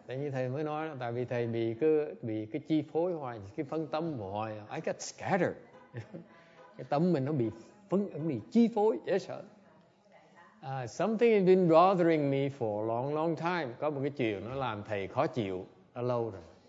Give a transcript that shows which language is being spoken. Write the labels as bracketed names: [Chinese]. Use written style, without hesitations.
[Vietnamese] Tại như thầy mới nói, tại vì thầy bị cái chi phối hoài, cái phân tâm hoài. [English] I got scattered. [Vietnamese] Cái tâm mình nó bị chi phối, dễ sợ. [English] Something has been bothering me for a long, long time. [Vietnamese] Có một cái chuyện nó làm thầy khó chịu, nó lâu rồi.